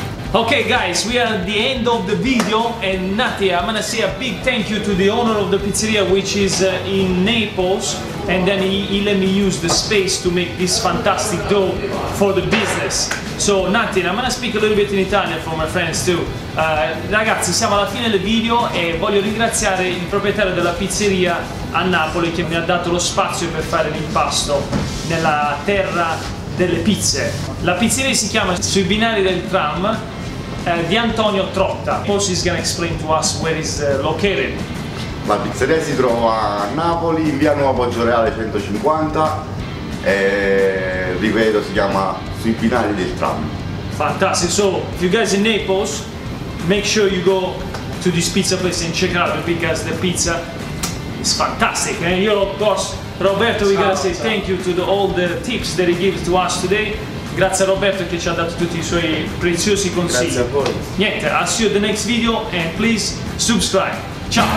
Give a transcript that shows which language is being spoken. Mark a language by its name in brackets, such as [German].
[English] Okay guys, we are at the end of the video, and Nati, I'm gonna say a big thank you to the owner of the pizzeria, which is in Naples, and then he let me use the space to make this fantastic dough for the business. So Nati, I'm gonna speak a little bit in Italian for my friends too. [Italian] Ragazzi, siamo alla fine del video e voglio ringraziare il proprietario della pizzeria a Napoli che mi ha dato lo spazio per fare l'impasto nella terra delle pizze. La pizzeria si chiama sui binari del tram di Antonio Trotta. [English] Also is gonna explain to us where is located. [Italian] La pizzeria si trova a Napoli, in via Nuova Poggioreale 150, e ripeto, si chiama sui binari del tram. [English] Fantastic. So if you guys in Naples, make sure you go to this pizza place and check it out, because the pizza is fantastic. And io, of course, Roberto, we gotta say thank you to all the tips that he gives to us today. [Italian] Grazie a Roberto che ci ha dato tutti i suoi preziosi consigli. Grazie a voi. [English] Niente, I'll see you at the next video and please subscribe. [Italian] Ciao.